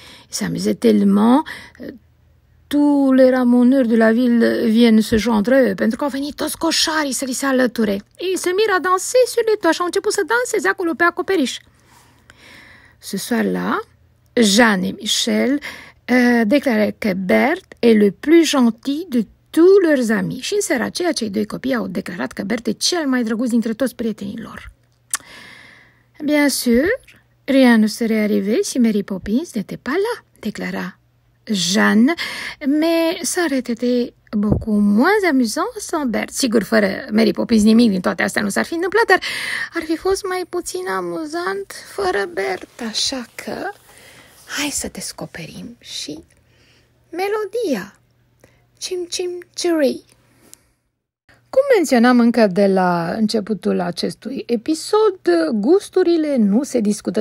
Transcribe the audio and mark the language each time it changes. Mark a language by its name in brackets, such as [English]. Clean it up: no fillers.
[French] Il s'amuse tellement, tous les ramoneurs de la ville viennent se joindre, [Romanian] pentru că au venit toți coșarii să li se alăture. [French] Il se mira à danser sur les toits [Romanian] și au început să danseze acolo pe acoperiș. [French] Ce soir-là, Jeanne et Michel déclaraient que Berthe est le plus gentil de tous leurs amis. [Romanian] Și în seara aceea, cei doi copii au declarat că Berthe e cel mai drăguț dintre toți prietenii lor. [French] Bien sûr, rien ne serait arrivé si Mary Poppins n'était pas là, declara Jeanne, mais ça aurait été beaucoup moins amusant sans Berthe. [Romanian] Sigur, fără Mary Poppins nimic din toate astea nu s-ar fi întâmplat, dar ar fi fost mai puțin amuzant fără Berthe, așa că hai să descoperim și melodia Chim Chim Cherry. Cum menționam încă de la începutul acestui episod, gusturile nu se discută.